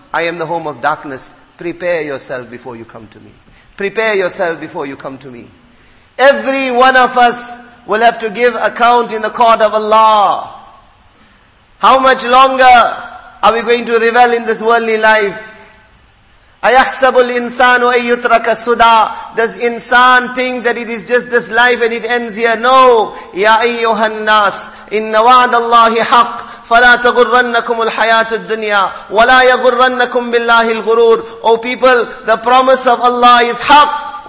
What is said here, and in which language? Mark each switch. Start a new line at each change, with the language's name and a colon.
English: I am the home of darkness. Prepare yourself before you come to me. Prepare yourself before you come to me. Every one of us will have to give account in the court of Allah. How much longer are we going to revel in this worldly life?
Arabic: أَيَحْسَبُ الْإِنسَانُ أَن يُتْرَكَ سُدَى.
English: Does insan think that it is just this life and it ends here?
Arabic: No. يَا أَيُّهَا النَّاسِ إِنَّ وَعْدَ اللَّهِ حَقِّ فَلَا تَغُرَّنَّكُمُ الْحَيَاةُ الدُّنْيَا وَلَا يَغُرَّنَّكُمْ بِاللَّهِ الْغُرُورِ.
English: O people, the promise of Allah is haq.